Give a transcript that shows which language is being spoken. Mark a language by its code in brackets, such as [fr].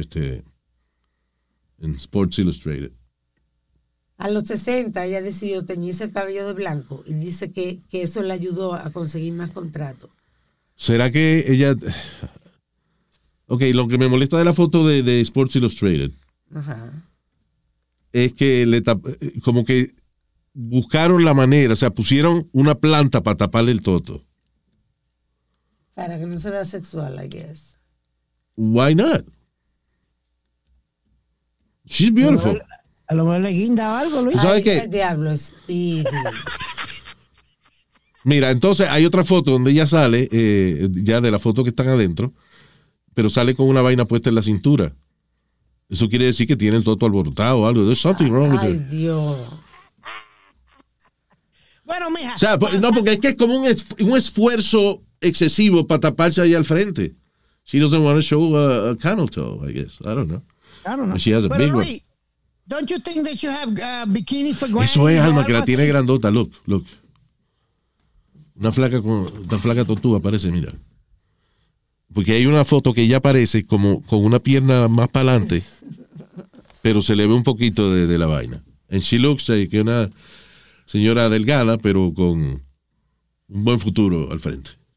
[es] Este, in Sports Illustrated. A los 60, ella decidió teñirse el cabello de blanco y dice que eso le ayudó a conseguir más contratos. ¿Será que ella...? Ok, lo que me molesta de la foto de Sports Illustrated uh-huh. es que le como que... buscaron la manera, o sea, pusieron una planta para taparle el toto. [en] Para que no se vea sexual, I guess. Why not? She's beautiful. [es] A lo mejor le guinda o algo, Luis. ¿Sabes qué? Diablo, Speedy. Mira, entonces hay otra foto donde ella sale, ya de la foto que están adentro, pero sale con una vaina puesta en la cintura. Eso quiere decir que tiene el toto alborotado o algo. [en] There's something wrong with it. [es] Ay, Dios. Bueno, mija. O sea, pues, no, porque es que es como un esfuerzo excesivo para taparse ahí al frente. [en] She doesn't want to show a camel toe, I guess. I don't know. I don't know. And she has a big one. Don't you think that you have a bikini for granny? [es] Eso es, Alma, que la tiene grandota. [en] Look, look. [es] Una flaca con una flaca tortuga aparece, mira. Porque hay una foto que ella aparece como con una pierna más para adelante, pero se le ve un poquito de la vaina. [en] And she looks like [es] una... señora delgada, pero con un buen futuro al frente.